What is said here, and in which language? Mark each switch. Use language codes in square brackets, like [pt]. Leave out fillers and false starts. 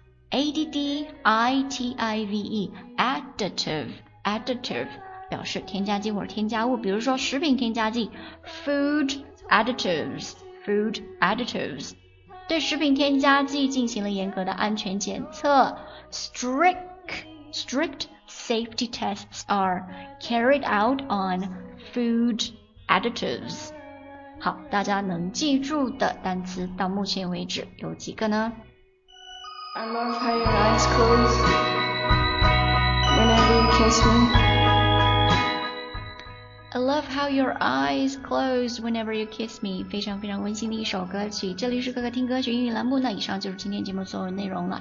[zh] ，additive， additive， additive 表示添加剂或者添加物，比如说食品添加剂 ，food additives， food additives， 对食品添加剂进行了严格的安全检测 ， [en] strict safety tests are carried out on food additives。 [zh] 好，大家能记住的单词到目前为止有几个呢？ [en] I love how your eyes close whenever you kiss me. I love how your eyes close whenever you kiss me. [zh] 非常非常温馨的一首歌曲。这里是哥哥听歌学英语栏目，那以上就是今天节目所有内容了。